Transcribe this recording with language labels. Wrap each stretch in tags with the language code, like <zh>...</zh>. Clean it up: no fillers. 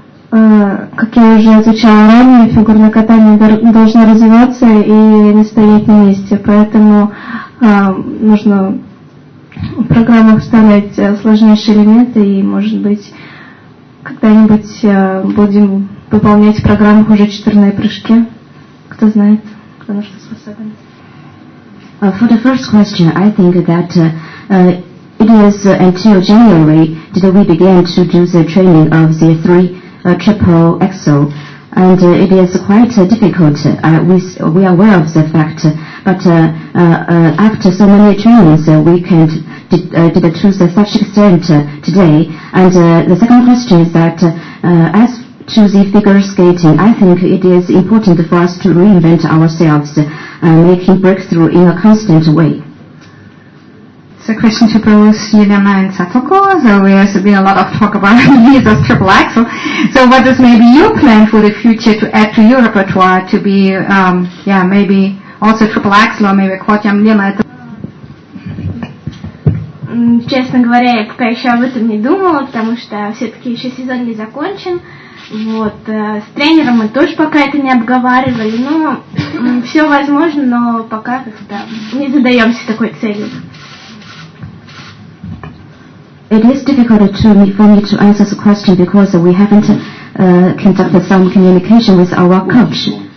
<ru>Как я уже отвечала ранее, фигурное катание должно развиваться и не стоять на месте. Поэтому нужно в программах вставлять сложнейшие элементы, и, может быть, когда-нибудь будем выполнять в программах уже четверные прыжки. Кто знает, кто на что способен.</ru> <en>For the first question, I think that it is until January that we began to do the training of the three triple axle, and it is quite difficult. We are aware of the fact, but after so many trainings, we can did it to such extent today. And the second question is that as to the figure skating, I think it is important for us to reinvent ourselves, making breakthrough in a constant way. It's a question to both Yudema and Satoko. So there's been a lot of talk about Lisa's triple axel. So what is maybe your plan for the future to add to your repertoire to be, maybe also triple axel or maybe quad jump Lima?</en> <ru>Честно говоря, я пока еще об этом не думала, потому что все-таки еще сезон не закончен. Вот, с тренером мы тоже пока это не обговаривали. Ну, все возможно, но пока как-то не задаемся такой целью.</ru> <en>It is difficult for me to answer the question because we haven't conducted some communication with our coach.</en>